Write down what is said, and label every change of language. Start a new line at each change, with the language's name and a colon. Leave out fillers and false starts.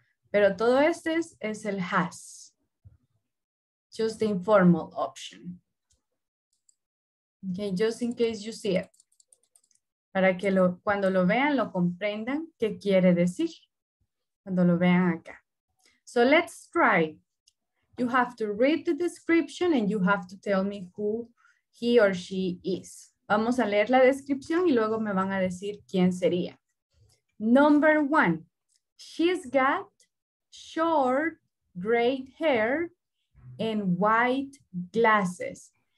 Spanish: Pero todo este es el has. Just the informal option. Okay, just in case you see it. Para que lo, cuando lo vean, lo comprendan qué quiere decir. Cuando lo vean acá. So let's try.
English: You have to read the description and you have to tell me who he or she is.
Spanish: Vamos a leer la descripción y luego me van a decir quién sería.
English: Number one, she's got short gray hair and white glasses.